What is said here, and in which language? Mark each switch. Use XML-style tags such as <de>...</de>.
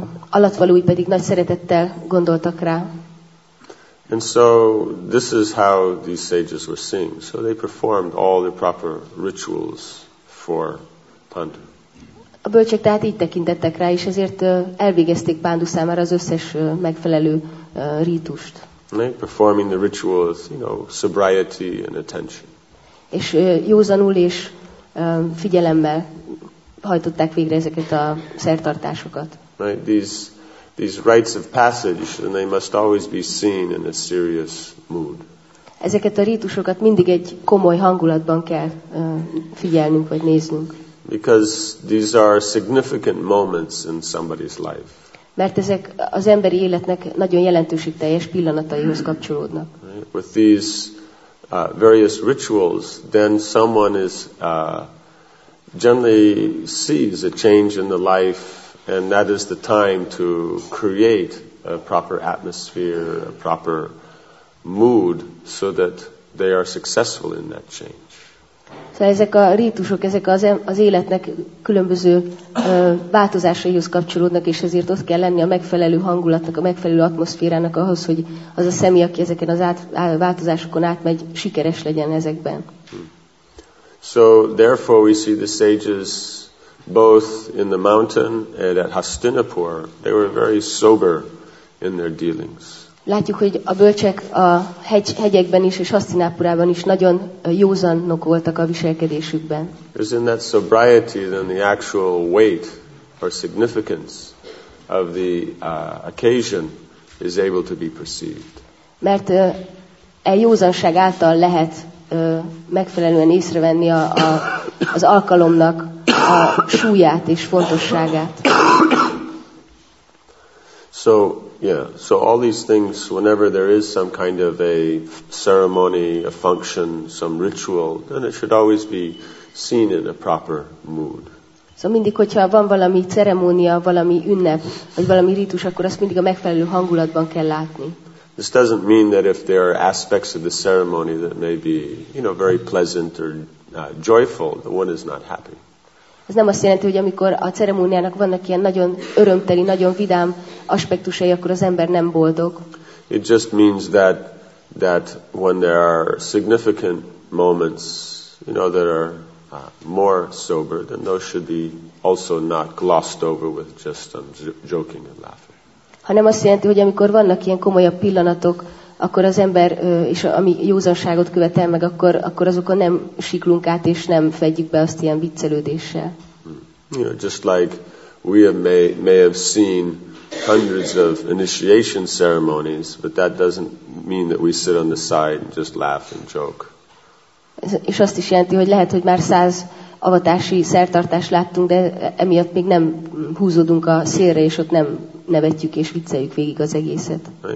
<hu>Alattvalói pedig nagy szeretettel gondoltak rá.</hu> <en>And so this is how these sages were seeing. So they performed all the proper rituals for Pandu.</en> <hu>A bölcsek tehát így tekintettek rá, és ezért elvégezték Pándu számára az összes megfelelő rítust.</hu> <en>Like performing the rituals, you know, sobriety and attention.</en> <hu>És józanul és figyelemmel hajtották végre ezeket a szertartásokat.</hu> <en>Right, these rites of passage, and they must always be seen in a serious mood.</en> <hu>Ezeket a rítusokat mindig egy komoly hangulatban kell figyelnünk vagy néznünk.</hu> <en>Because these are significant moments in somebody's life.</en> <hu>Mert ezek az emberi életnek nagyon jelentőségteljes pillanataihoz kapcsolódnak.</hu> <en>Right. With these various rituals, then someone is generally sees a change in the life, and that is the time to create a proper atmosphere, a proper mood, so that they are successful in that change.</en> <hu>Szóval ezek a rítusok, ezek az életnek különböző változásaihoz kapcsolódnak, és ezért ott kell lenni a megfelelő hangulatnak, a megfelelő atmoszférának ahhoz, hogy az a személy, aki ezeken az változásokon átmegy, sikeres legyen ezekben.</hu> <en>So therefore we see the sages both in the mountain and at Hastinapur, they were very sober in their dealings.</en> <hu>Látjuk, hogy a bölcsek a hegyekben is és Hasztinápurában is nagyon józanok voltak a viselkedésükben.</hu> <en>Isn't that sobriety then the actual weight or significance of the occasion is able to be perceived?</en> <hu>Mert e józanság által lehet megfelelően észrevenni az alkalomnak a súlyát és fontosságát.</hu> <en>So yeah, so all these things, whenever there is some kind of a ceremony, a function, some ritual, then it should always be seen in a proper mood.</en> <hu>Szóval mindig, hogyha van valami ceremónia, valami ünnep, vagy valami rítus, akkor azt mindig a megfelelő hangulatban kell látni.</hu> <en>This doesn't mean that if there are aspects of the ceremony that may be, you know, very pleasant or joyful, the one is not happy.</en> <hu>Ez nem azt jelenti, hogy amikor a ceremóniának vannak ilyen nagyon örömteli, nagyon vidám aspektusai, akkor az ember nem boldog.</hu> <en>It just means that when there are significant moments, you know, that are more sober, then those should be also not glossed over with just joking and laughing.</en> <hu>Hanem azt jelenti, hogy amikor vannak ilyen komolyabb pillanatok, akkor az ember, és ami józanságot követel meg, akkor azokon nem siklunk át, és nem fedjük be azt ilyen viccelődéssel.</hu> <en>You know, just like we may have seen hundreds of initiation ceremonies, but that doesn't mean that we sit on the side and just laugh and joke.</en> <hu>És azt is jelenti, hogy lehet, hogy már 100 avatási szertartást láttunk, de emiatt még nem húzódunk a szélre, és ott nem nevetjük és vicceljük végig az egészet.</hu>